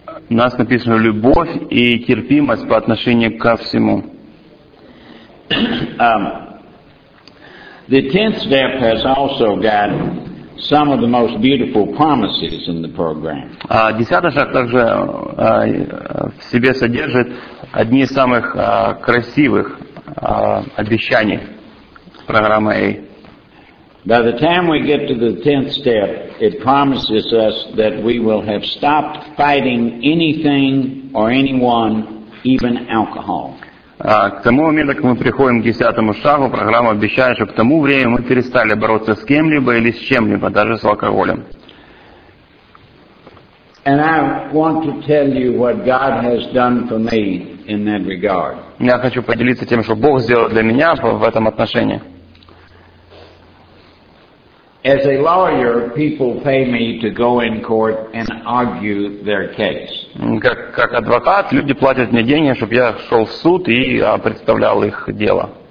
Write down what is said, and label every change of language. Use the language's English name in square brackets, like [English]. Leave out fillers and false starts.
[Russian] У нас написано любовь и терпимость по отношению ко всему. [English] The tenth step has also got some of the most beautiful promises in the program. [Russian] Десятый шаг также в себе содержит одни из самых красивых обещаний программы A. [English] By the time we get to the tenth step, it promises us that we will have stopped fighting anything or anyone, even alcohol. [Russian] К тому моменту, как мы приходим к десятому шагу, программа обещает, что к тому времени мы перестали бороться с кем-либо или с чем-либо, даже с алкоголем. [English] And I want to tell you what God has done for me in that regard. [Russian] Я хочу поделиться тем, что Бог сделал для меня в этом отношении. [English] As a lawyer, people pay me to go in court and argue their case. [Russian] Как адвокат, люди платят мне деньги, чтобы я шел в суд и представлял их дело.